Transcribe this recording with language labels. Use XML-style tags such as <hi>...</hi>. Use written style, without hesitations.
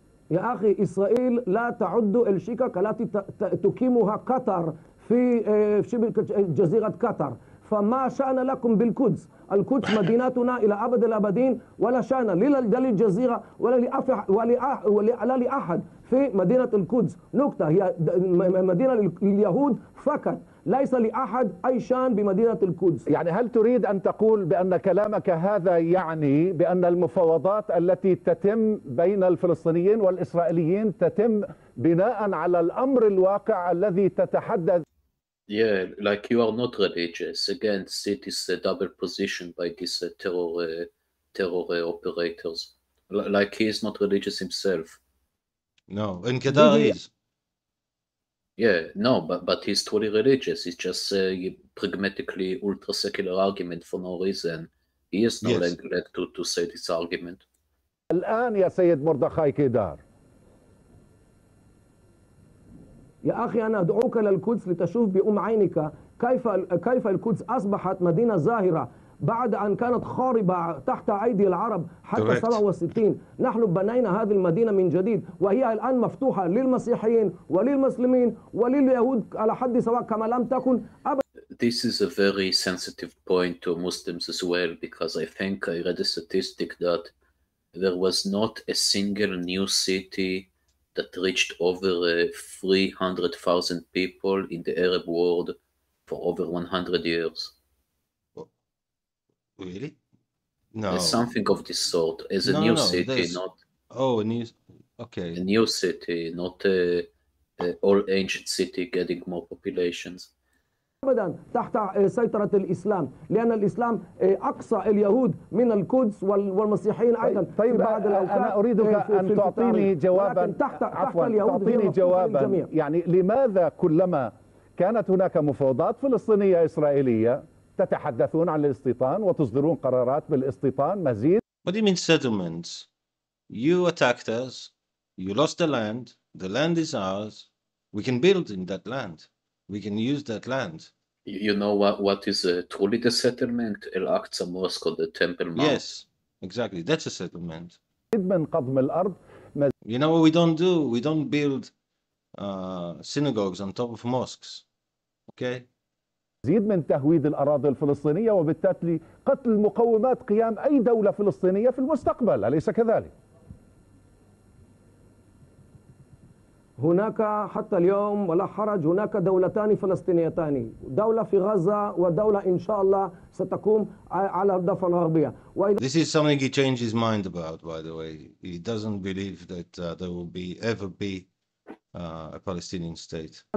<ar>يا أخي إسرائيل لا تعد الشكك التي تقيمها قطر في شبه جزيرة قطر فما شأن لكم بالقدس؟ القدس مدينتنا إلى أبد الأبدين ولا شأن للجزيرة ولا لأحد في مدينة القدس نقطة هي مدينة لليهود فقط ليس لأحد أي شأن بمدينة القدس يعني هل تريد أن تقول بأن كلامك هذا يعني بأن المفاوضات التي تتم بين الفلسطينيين والإسرائيليين تتم بناء على الأمر الواقع الذي تتحدث</ar> <en>Yeah, like you are not religious. Again, see this double position by these terror operators. Like he is not religious himself. No, and Kedar is. Yeah, no, but he's totally religious. It's just a pragmatically ultra-secular argument for no reason. He has no leg to say this argument.</en> <ar>الآن يا سيد مردخاي كيدار. يا أخي أنا أدعوك للقدس لتشوف بأم عينك كيف القدس أصبحت مدينة زاهرة بعد أن كانت خاربة تحت أيدي العرب حتى 67 نحن بنينا هذه المدينة من جديد وهي الآن مفتوحة للمسيحيين وللمسلمين ولليهود على حد سواء كما لم تكن أبدا</ar> <en>This is a very sensitive point to Muslims as well because I think I read a statistic that there was not a single new city that reached over 300,000 people in the Arab world for over 100 years. Really? No. As something of this sort. As a new city, not... Oh, a new... Okay. A new city, not an old ancient city getting more populations.</en> <ar>ابدا تحت سيطرة الإسلام لأن الإسلام أقصى اليهود من القدس والمسيحيين أيضا طيب بعد أنا أريدك أن تعطيني جوابا عفوا تعطيني جوابا يعني لماذا كلما كانت هناك مفاوضات فلسطينية إسرائيلية تتحدثون عن الاستيطان وتصدرون قرارات بالاستيطان مزيد</ar> <en>What do you mean settlements? You attacked us, you lost the land is ours, we can build in that land. We can use that land. You know what is truly the settlement? Al-Aqsa Mosque or the Temple Mount? Yes, exactly. That's a settlement.</en> <ar>من قضم الأرض</ar> <en>You know what we don't do? We don't build synagogues on top of mosques. Okay?</en> <ar>مزيد من تهويد الأراضي الفلسطينية وبالتالي قتل مقومات قيام أي دولة فلسطينية في المستقبل أليس كذلك؟ هناك حتى اليوم ولا حرج هناك دولتان فلسطينيتان دولة في غزة ودولة إن شاء الله ستقوم على الضفة الغربية.</ar> <en>This is something he changed his mind about, by the way. He doesn't believe that there will be ever be a Palestinian state.</en>